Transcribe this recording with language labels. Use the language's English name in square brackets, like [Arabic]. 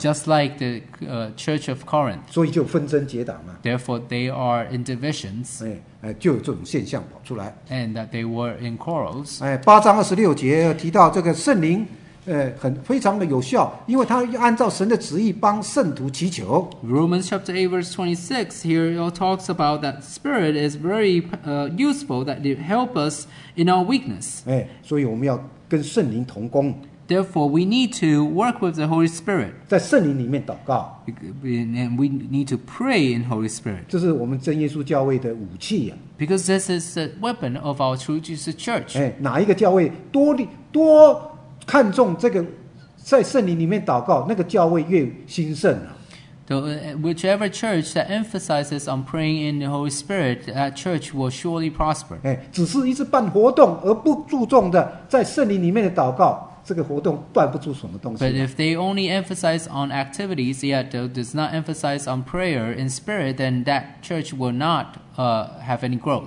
[English] just like the Church of Corinth [Chinese] 所以就纷争结党嘛 [English] therefore they are in divisions [Chinese] 就有这种现象跑出来 [English] and that they were in quarrels [Chinese] 八章二十六节提到这个圣灵很非常的有效，因为他按照神的旨意帮圣徒祈求。 [English] Romans chapter 8 verse 26 here it all talks about that spirit is very useful that it help us in our weakness. [Chinese] 所以我们要跟圣灵同工。 [English] Therefore, we need to work with the Holy Spirit. [Chinese] 在圣灵里面祷告。 [English] And we need to pray in Holy Spirit. [Chinese] 这是我们真耶稣教会的武器啊。 [English] Because this is the weapon of our true Jesus Church. [Chinese] 哪一个教会多看重这个，在圣灵里面祷告，那个教会越兴盛啊。 [English] So, whichever church that emphasizes on praying in the Holy Spirit, that church will surely prosper. [Chinese] 只是一直办活动而不注重的在圣灵里面的祷告，这个活动断不出什么东西。 [English] But if they only emphasize on activities, yet does not emphasize on prayer in spirit, then that church will not have any growth.